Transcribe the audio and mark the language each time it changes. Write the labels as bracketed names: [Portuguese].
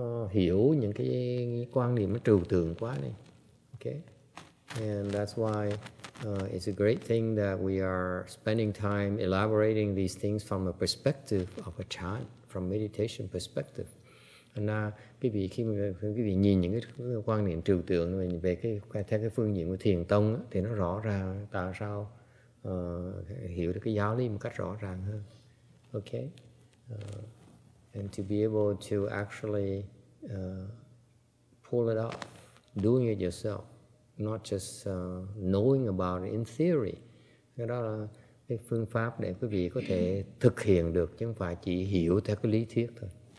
[Vietnamese] Hiểu những cái quan điểm nó trừu tượng quá này. [English] Okay. And that's why it's a great thing that we are spending time elaborating these things from a perspective of a chant, from meditation perspective. [Vietnamese] And khi nhìn những cái quan niệm trừu tượng về cái theo cái phương diện của thiền tông á, thì nó rõ ràng tại sao hiểu được cái giáo lý một cách rõ ràng hơn. [English] Okay. And to be able to actually pull it off, doing it yourself, not just knowing about it in theory. [Vietnamese] Cái đó là cái phương pháp để quý vị có thể thực hiện được, chứ không phải chỉ hiểu theo cái lý thuyết thôi.